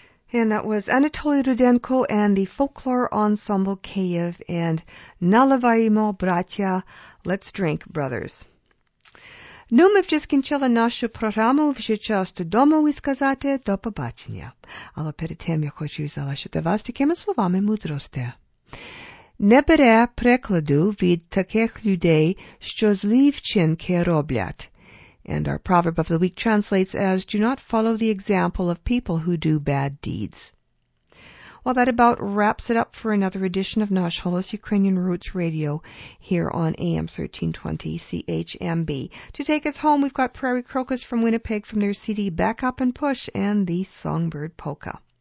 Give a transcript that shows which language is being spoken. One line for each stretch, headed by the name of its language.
English: And that was Anatoly Rudenko and the Folklore Ensemble Kyiv and Nalivaimo Bratya, Let's Drink, Brothers.
Ukrainian: Ну, ми вже скінчили нашу програму. Вже час додому і сказати до побачення. Але перед тим я хочу залишити вас такими словами мудрості. Не бере прикладу від таких людей, що злі вчинки роблять.
English: And our proverb of the week translates as, do not follow the example of people who do bad deeds. Well, that about wraps it up for another edition of Nash Holos Ukrainian Roots Radio here on AM 1320 CHMB. To take us home, we've got Prairie Crocus from Winnipeg from their CD Back Up and Push and the Songbird Polka.